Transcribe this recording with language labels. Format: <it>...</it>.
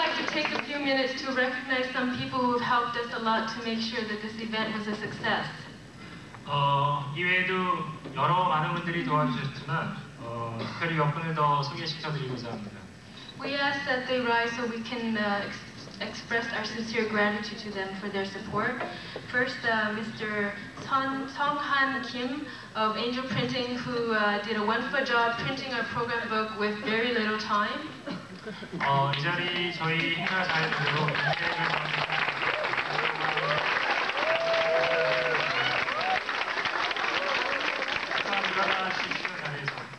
<en>Take a few minutes to recognize some people who have helped us a lot to make sure that this event was a success.</en> <ko>이외에도 여러 많은 분들이 도와주셨지만 특별히 몇 분을 더 소개시켜드리고자 합니다.</ko> <en>We ask that they rise so we can express our sincere gratitude to them for their support. First, Mr. Song-han Kim of Angel Printing, who did a wonderful job printing our program book with very little time.</en> <ko>이 자리 저희 행사 잘 들어 감사합니다.</ko>